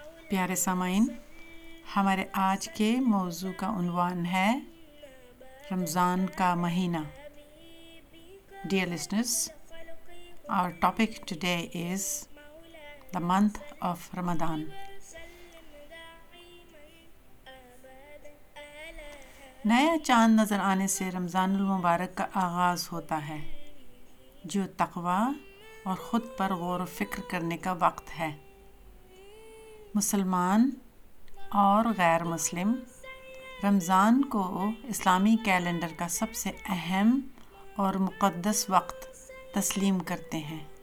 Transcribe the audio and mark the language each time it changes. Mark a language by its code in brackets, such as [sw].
[ur] پیارے سامعین، ہمارے آج کے موضوع کا عنوان ہے رمضان کا مہینہ. [en] Dear listeners, our topic today is the month of Ramzan. [ur] نیا چاند نظر آنے سے رمضان المبارک کا آغاز ہوتا ہے، جو تقویٰ اور خود پر غور و فکر کرنے کا وقت ہے. مسلمان اور غیر مسلم رمضان کو اسلامی کیلنڈر کا سب سے اہم اور مقدس وقت تسلیم کرتے ہیں.